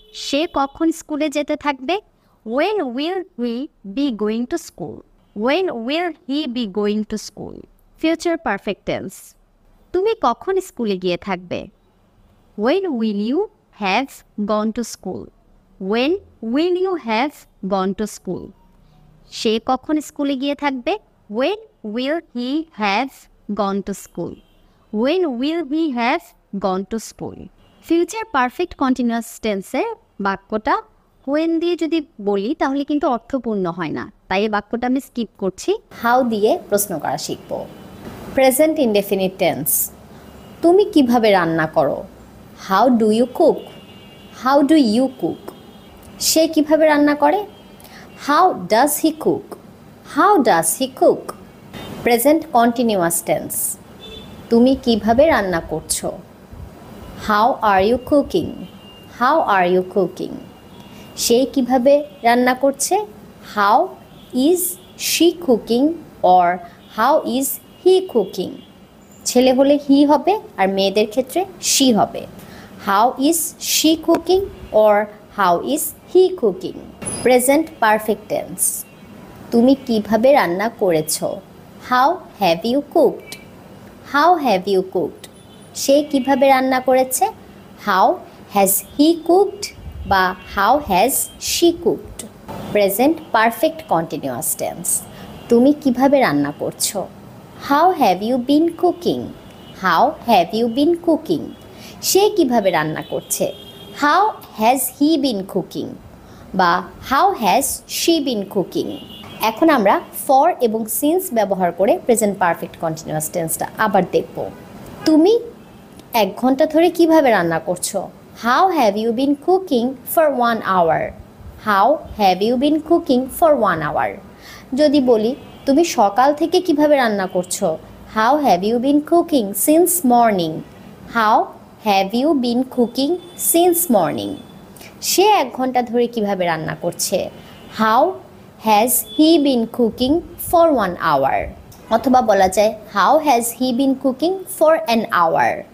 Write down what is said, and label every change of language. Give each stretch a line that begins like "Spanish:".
Bangla: সে কখন স্কুলে যেতে থাকবে,
English: When will he be going to school, when will he be going to school. Future perfect tense,
Bangla: তুমি কখন স্কুলে গিয়ে থাকবে,
English: When will you have gone to school, when will you have gone to school.
Bangla: সে কখন স্কুলে গিয়ে থাকবে,
English: When will he have gone to school, when will he have gone to school.
Bangla: Future perfect continuous টেন্সে বাক্যটা when দিয়ে যদি বলি তাহলে কিন্তু অর্থপূর্ণ হয় না, তাই এই বাক্যটা আমি স্কিপ করছি, হাউ দিয়ে প্রশ্ন করা শিখব।
English: present indefinite tense,
Bangla: তুমি কিভাবে রান্না করো,
English: How do you cook, how do you cook.
Bangla: সে কিভাবে রান্না করে,
English: How does he cook, how does he cook. Present continuous tense,
Bangla: তুমি কিভাবে রান্না করছো,
English: How are you cooking, how are you cooking.
Bangla: সে কিভাবে রান্না করছে,
English: How is she cooking or how is he cooking.
Bangla: ছেলে হলে হি হবে আর মেয়েদের ক্ষেত্রে শি হবে।
English: How is she cooking or how is he cooking? Present perfect tense.
Bangla: তুমি কিভাবে রান্না করেছো?
English: How have you cooked? How have you cooked?
Bangla: সে কিভাবে রান্না করেছে?
English: How has he cooked? বা how has she cooked? Present perfect continuous tense.
Bangla: তুমি কিভাবে রান্না করছো?
English: How have you been cooking? How have you been cooking?
Bangla: সে কিভাবে রান্না করছে?
English: How has he been cooking? বা how has she been cooking?
Bangla: এখন আমরা for এবং since ব্যবহার করে present perfect continuous tenseটা আবার দেখব। তুমি এক ঘন্টা ধরে কিভাবে রান্না করছো?
English: How have you been cooking for 1 hour? How have you been cooking for 1 hour?
Bangla: যদি বলি তুমি সকাল থেকে কিভাবে রান্না করছো?
English: How have you been cooking since morning? How have you been cooking since morning?
Bangla: সে এক ঘন্টা ধরে কিভাবে রান্না করছে?
English: How has he been cooking for 1 hour?
Bangla: অথবা বলা যায়
English: How has he been cooking for an hour?